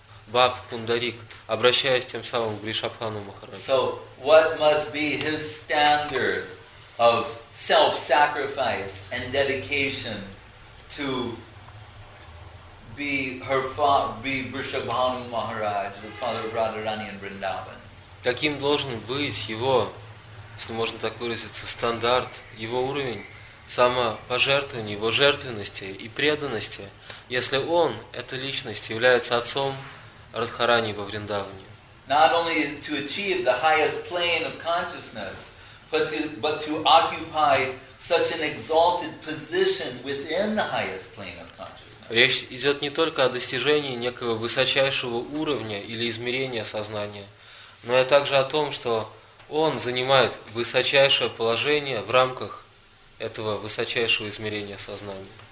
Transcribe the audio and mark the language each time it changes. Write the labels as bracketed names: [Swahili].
[Russian] Баб Пундарик, обращаясь тем самым к Вришабхану Махараджу. [English] So, what must be his standard of self-sacrifice and dedication to be her be Vrishabhanu Maharaj, the father of Radharani in Vrindavan? [Russian] Каким должен быть его, если можно так выразиться, стандарт, его уровень самопожертвования, его жертвенности и преданности, если он, эта личность, является отцом Радхарани во Вриндаване. [English] Not only to achieve the highest plane of consciousness, but to occupy such an exalted position within the highest plane of consciousness. [Russian] Речь идет не только о достижении некого высочайшего уровня или измерения сознания, но и также о том, что он занимает высочайшее положение в рамках этого высочайшего измерения сознания.